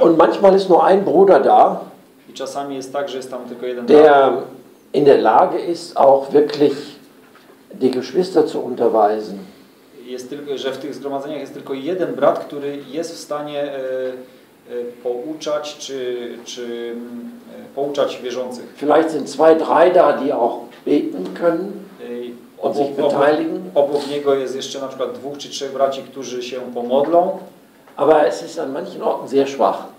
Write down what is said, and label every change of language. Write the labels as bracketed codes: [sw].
[de] Und manchmal ist nur ein Bruder da. [pl] I czasami jest tak, że jest tam tylko jeden. [de] Der in der Lage ist auch wirklich die Geschwister zu unterweisen. [pl] Jest tylko, że w tych zgromadzeniach jest tylko jeden brat, który jest w stanie pouczać czy pouczać wierzących. [de] Vielleicht sind zwei, drei da, die auch beten können und sich beteiligen. [pl] Obok niego jest jeszcze na przykład dwóch czy trzech braci, którzy się pomodlą. [de] Aber es ist an manchen Orten sehr schwach.